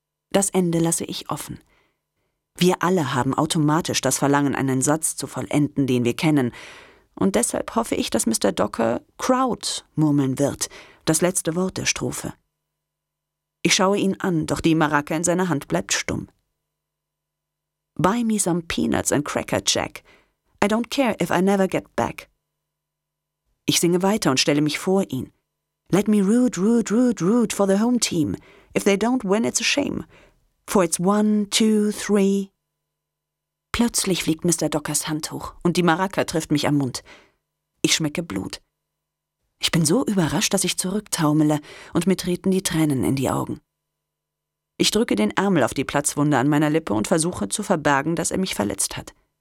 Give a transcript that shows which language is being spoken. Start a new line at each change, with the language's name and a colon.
German: Das Ende lasse ich offen. Wir alle haben automatisch das Verlangen, einen Satz zu vollenden, den wir kennen. Und deshalb hoffe ich, dass Mr. Docker Crowd murmeln wird, das letzte Wort der Strophe. Ich schaue ihn an, doch die Maraca in seiner Hand bleibt stumm.
English: Buy me some peanuts and cracker jack. I don't care if I never get back.
German: Ich singe weiter und stelle mich vor ihn.
English: Let me root, root, root, root for the home team. If they don't win, it's a shame. For it's 1, 2, 3.
German: Plötzlich fliegt Mr. Dockers Hand hoch und die Maraca trifft mich am Mund. Ich schmecke Blut. Ich bin so überrascht, dass ich zurücktaumele und mir treten die Tränen in die Augen. Ich drücke den Ärmel auf die Platzwunde an meiner Lippe und versuche zu verbergen, dass er mich verletzt hat.